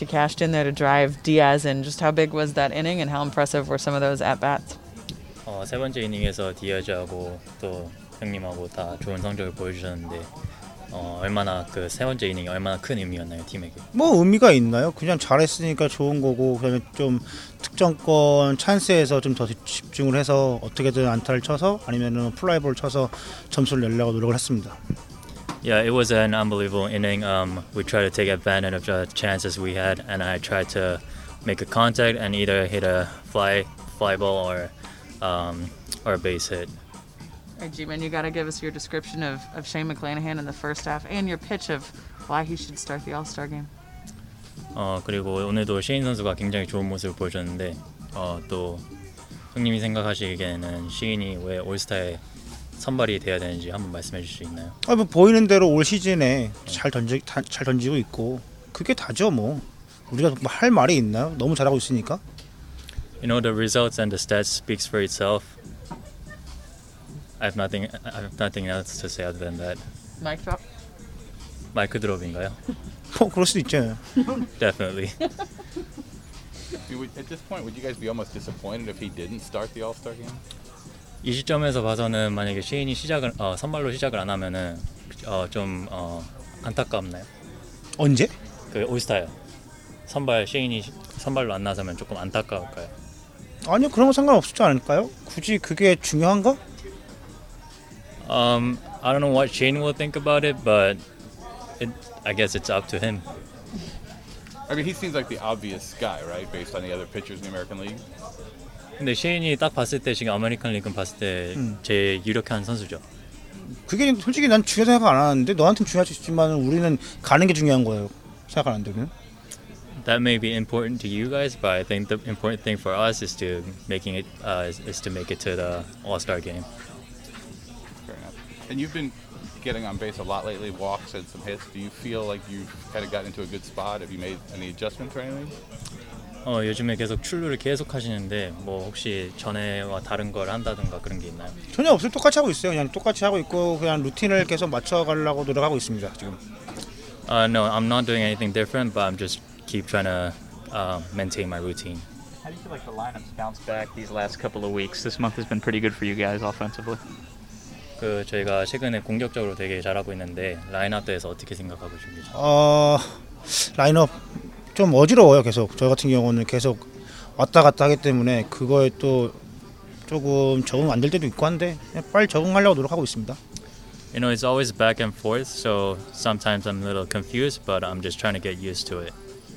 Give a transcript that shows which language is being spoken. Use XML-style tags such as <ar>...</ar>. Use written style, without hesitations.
<en>You cashed in there to drive Diaz in. Just how big was that inning, and how impressive were some of those at-bats?</en> <ko>세 번째 이닝에서 디아즈하고 또 형님하고 다 좋은 성적을 보여주셨는데 얼마나 그 세 번째 이닝이 얼마나 큰 의미였나요 팀에게? 뭐 의미가 있나요? 그냥 잘했으니까 좋은 거고 그다음에 좀 특정권 찬스에서 좀 더 집중을 해서 어떻게든 안타를 쳐서 아니면은 플라이볼 쳐서 점수를 내려고 노력을 했습니다.</ko> <en>Yeah, it was an unbelievable inning. We tried to take advantage of the chances we had, and I tried to make a contact and either hit a fly ball or a base hit. All right, G-Man, you got to give us your description of Shane McClanahan in the first half and your pitch of why he should start the All-Star game.</en> <ko>그리고 오늘도 Shane 선수가 굉장히 좋은 모습을 보여줬는데 또 형님이 생각하시기에는 Shane이 왜 올스타에 선발이 돼야 되는지 한번 말씀해 주실 수 있나요? 뭐 보이는 대로 올 시즌에 잘 던지고 있고 그게 다죠 뭐 우리가 뭐 할 말이 있나요? 너무 잘하고 있으니까.</ko> <en>You know, the results and the stats speaks for itself. I have nothing else to say other than that. Mic drop? Mic drop</en> <ko>인가요? 뭐 그럴 수도 있죠.</ko> <en>Definitely. At this point, would you guys be almost disappointed if he didn't start the All-Star game?</en> <ko>이 시점에서 봐서는 만약에 시인이 시작을 선발로 시작을 안 하면은 좀 안타깝나요? 언제? 그 올스타요. 선발 시인이 선발로 안 나서면 조금 안타까울까요? 아니요, 그런 거 상관없지 않을까요? 굳이 그게 중요한가?</ko> <en>I don't know what Shane will think about it, but I guess it's up to him. I mean, he seems like the obvious guy, right? Based on the other pitchers in the American League.</en> <ko>근데 Shane이 딱 봤을 때 지금 아메리칸 리그 봤을 때 제일 유력한 선수죠. 그게 솔직히 난 중요 생각 안 하는데 너한테는 중요할 수 있지만 우리는 가는 게 중요한 거예요. 생각 안 되면.</ko> <en>That may be important to you guys, but I think the important thing for us is to making it is to make it to the All-Star game. Fair enough. And you've been getting on base a lot lately, walks and some hits. Do you feel like you've kind of gotten into a good spot? Have you made any adjustments or anything?</en> <ko>요즘에 계속 출루를 계속 하시는데 뭐 혹시 전에와 다른 걸 한다든가 그런 게 있나요? 전혀 없어요. 똑같이 하고 있어요. 그냥 똑같이 하고 있고 그냥 루틴을 계속 맞춰가려고 노력하고 있습니다. 지금.</ko> <en>No, I'm not doing anything different, but I'm just keep trying to maintain my routine. How do you feel like the lineup's bounced back these last couple of weeks? This month has been pretty good for you guys offensively.</en> <ko>그 저희가 최근에 공격적으로 되게 잘하고 있는데 라인업에 대해서 어떻게 생각하고 계십니까? 라인업 좀 어지러워요 계속. 저희 같은 경우는 계속 왔다 갔다 하기 때문에 그거에 또 조금 적응 안 될 때도 있고 한데 그냥 빨리 적응하려고 노력하고 있습니다.</ko> <en>You know, it's always back and forth, so sometimes I'm a little confused, but I'm just trying to get used to it.</en>